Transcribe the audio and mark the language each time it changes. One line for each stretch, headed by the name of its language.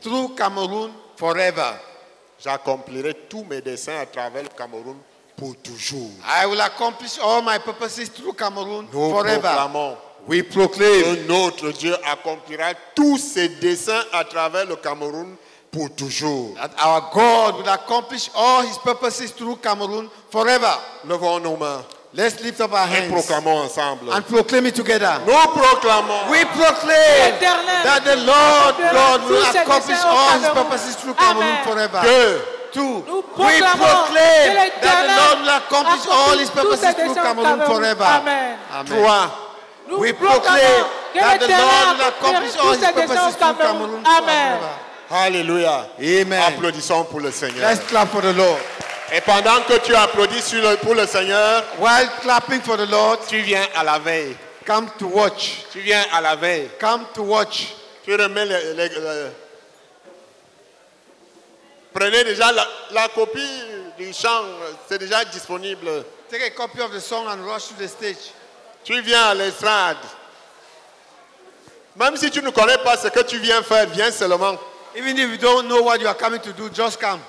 English: Through Cameroun forever.
French: J'accomplirai tous mes desseins à travers le Cameroun pour toujours.
English: I will accomplish all my purposes through Cameroun forever.
French: Nous proclamons.
English: We proclaim.
French: Que notre Dieu accomplira tous ses desseins à travers le Cameroun. Pour toujours.
English: That our God will accomplish all his purposes through Cameroon forever.
French: Levons nos mains.
English: Let's lift up our hands.
French: Et proclamons ensemble.
English: And proclaim it together.
French: Nous proclamons.
English: We proclaim that the Lord God will accomplish all his purposes through Cameroon forever. Two. We proclaim that the Lord will accomplish all his purposes through Cameroon forever. Amen.
French: Trois.
English: We proclaim that the Lord will accomplish all his purposes through Cameroon forever. Hallelujah. Amen.
French: Applaudissons pour le Seigneur.
English: Let's clap for the Lord.
French: Et pendant que tu applaudis pour le Seigneur,
English: while clapping for the Lord,
French: tu viens à la veille.
English: Come to watch.
French: Tu viens à la veille.
English: Come to watch.
French: Tu remets le prenez déjà la copie du chant, c'est déjà disponible.
English: Take a copy of the song and rush to the stage.
French: Tu viens à l'estrade. Même si tu ne connais pas ce que tu viens faire, viens seulement.
English: Even if you don't know what you are coming to do, just come.